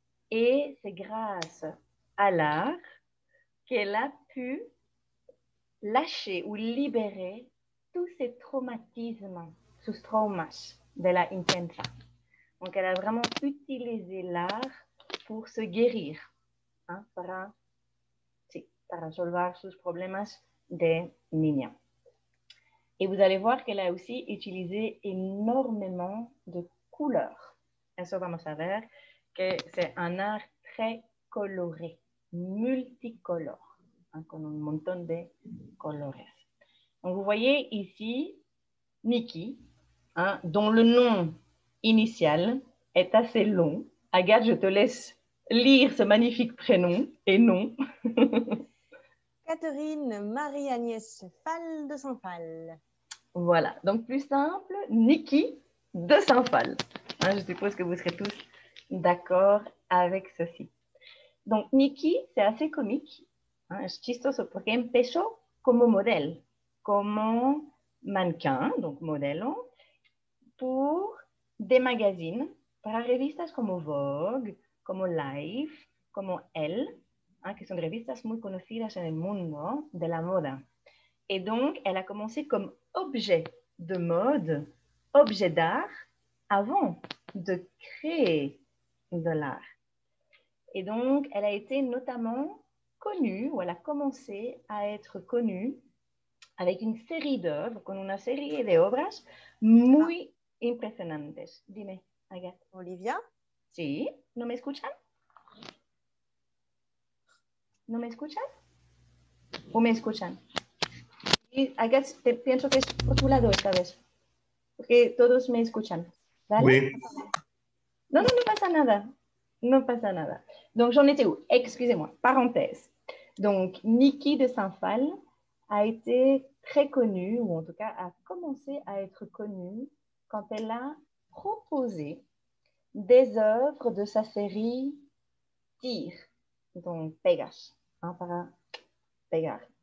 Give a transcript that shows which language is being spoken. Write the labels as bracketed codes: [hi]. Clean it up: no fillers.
[fr] Et c'est grâce à l'art qu'elle a pu lâcher ou libérer tous ces traumatismes, sus traumas de la infancia. Donc, elle a vraiment utilisé l'art pour se guérir [es] para, sí, para resolver sus problemas de niña. [fr] Et vous allez voir qu'elle a aussi utilisé énormément de couleurs. Et ça, vamos a ver que c'est un art très coloré, multicolore, hein, con un montón de colores. Donc, vous voyez ici, Nikki, hein, dont le nom initial est assez long. Agathe, je te laisse lire ce magnifique prénom et nom. Catherine Marie-Agnès Fall de Saint-Fall. Voilà, donc plus simple, Nikki de Saint-Fall. Hein, je suppose que vous serez tous d'accord avec ceci. Donc, Nikki, c'est assez comique. [es] Hein, es chistoso porque empezó como modelo, como mannequin, donc modelo, pour des magazines, para revistas como Vogue, como Life, como Elle, hein, que son revistas muy conocidas en el mundo de la moda. [fr] Et donc, elle a commencé comme objet de mode, objet d'art, avant de créer de l'art. Et donc, elle a été notamment connue, ou elle a commencé à être connue avec une série d'œuvres, con una serie de obras muy impresionantes. [es] Dime, Agathe. Olivia? Sí, ¿no me escuchan? ¿No me escuchan? ¿O me escuchan? Agathe, te pienso que es por tu lado esta vez, porque todos me escuchan, ¿vale? [fr] Oui. [es] No, no, no pasa nada, no pasa nada. [fr] Donc, j'en étais où? Excusez-moi, parenthèse. Donc, Nikki de Saint-Fall a été très connue, ou en tout cas a commencé à être connue, quand elle a proposé des œuvres de sa série Tyr, donc Pegas, hein, para pegar.